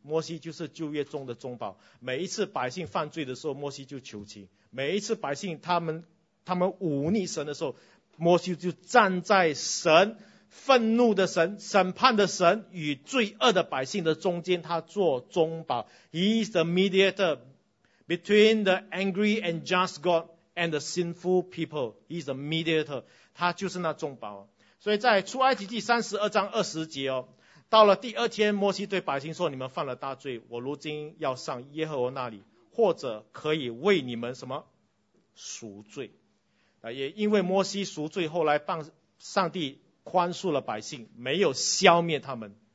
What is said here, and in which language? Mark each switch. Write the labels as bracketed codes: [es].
[zh] 摩西就是旧约中的中保，每一次百姓犯罪的时候，摩西就求情；每一次百姓他们忤逆神的时候，摩西就站在神愤怒的神、审判的神与罪恶的百姓的中间，他做中保。 [en] He is the mediator between the angry and just God and the sinful people. He is the mediator. [zh] 他就是那中保。所以在出埃及记32:20，哦，到了第二天，摩西对百姓说：“你们犯了大罪，我如今要上耶和华那里，或者可以为你们什么赎罪。” 也因为摩西赎罪，后来上帝宽恕了百姓，没有消灭他们。